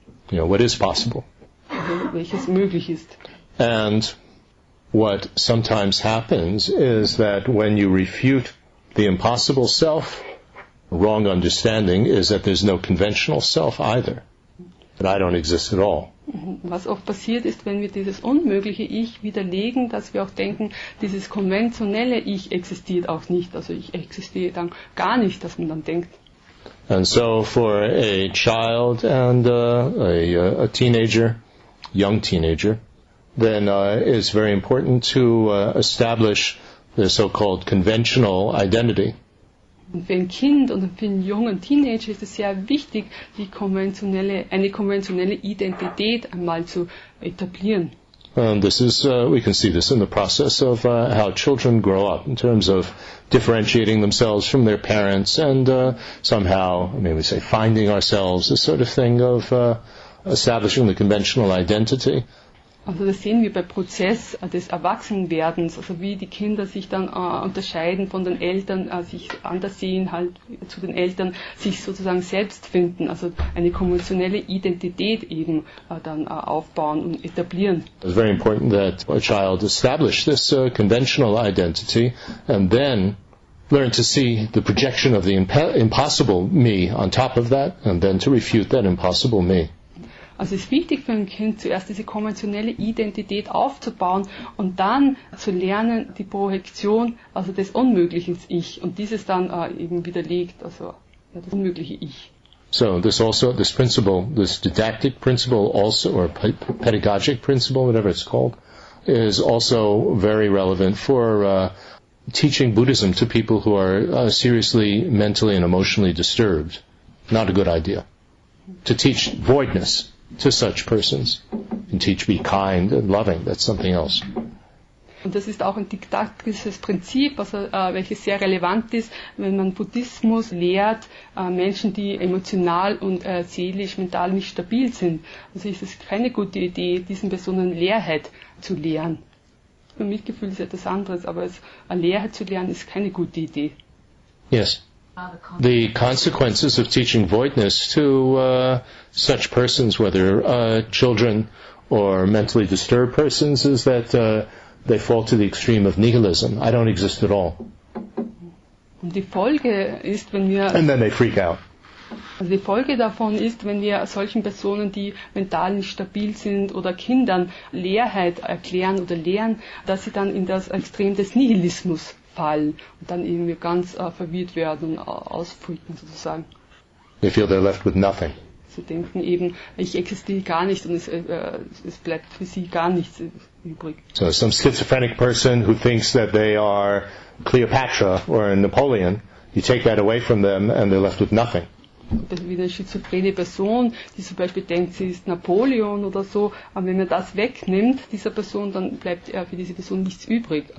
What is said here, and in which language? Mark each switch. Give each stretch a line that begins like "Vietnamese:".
English: You know, what is possible?
German: Welches möglich ist.
English: And what sometimes happens is that when you refute the impossible self, wrong understanding is that there's no conventional self either, that I don't exist at all.
German: Was oft passiert ist, wenn wir dieses unmögliche Ich widerlegen, dass wir auch denken, dieses konventionelle Ich existiert auch nicht, also ich existiere dann gar nicht, dass man dann denkt.
English: And so for a child and a teenager, young teenager, then it's very important to establish the so-called conventional identity.
German: Und für ein Kind und für einen jungen Teenager ist es sehr wichtig, die konventionelle, eine konventionelle Identität einmal zu etablieren.
English: And this is, we can see this in the process of how children grow up in terms of differentiating themselves from their parents and somehow, maybe say, finding ourselves, this sort of thing of establishing the conventional identity.
German: Also das sehen wir bei Prozess des Erwachsenwerdens, also wie die Kinder sich dann unterscheiden von den Eltern, sich anders sehen halt zu den Eltern, sich sozusagen selbst finden, also eine konventionelle Identität eben dann aufbauen und etablieren.
English: It's very important that a child establish this conventional identity and then learn to see the projection of the impossible me on top of that and then to refute that impossible me.
German: Also es ist wichtig für ein Kind, zuerst diese konventionelle Identität aufzubauen und dann zu lernen, die Projektion, also des unmöglichen Ich, und dieses dann eben widerlegt, also ja, das unmögliche Ich.
English: So, this also, this principle, this didactic principle also, or pedagogic principle, whatever it's called, is also very relevant for teaching Buddhism to people who are seriously mentally and emotionally disturbed. Not a good idea. To teach voidness to such persons and teach be kind and loving, that's something else.
German: Und das ist auch ein didaktisches Prinzip, also welches sehr relevant ist, wenn man Buddhismus lehrt, Menschen, die emotional und seelisch, mental nicht stabil sind. Also ist es keine gute Idee, diesen Personen Leerheit zu lehren. Für Mitgefühl ist etwas anderes, aber Leerheit zu lehren ist keine gute Idee.
English: Yes. The consequences of teaching voidness to such persons, whether children or mentally disturbed persons, is that they fall to the extreme of nihilism. I don't exist at all.
German: Und die Folge ist, wenn wir,
English: and then they freak out.
German: Also die Folge davon ist, wenn wir solchen Personen, die mental nicht stabil sind, oder Kindern Leerheit erklären oder lehren, dass sie dann in das Extrem des Nihilismus fallen und dann eben ganz verwirrt werden und ausfüllen sozusagen.
English: They feel they're left with nothing.
German: Sie denken eben, ich existiere gar nicht und es bleibt für sie gar nichts übrig.
English: So some schizophrenic person who thinks that they are Cleopatra or Napoleon, you take that away from them and they're left with nothing.
German: Wie eine schizophrene Person, die zum Beispiel denkt, sie ist Napoleon oder so, aber wenn man das wegnimmt, dieser Person, dann bleibt für diese Person nichts übrig.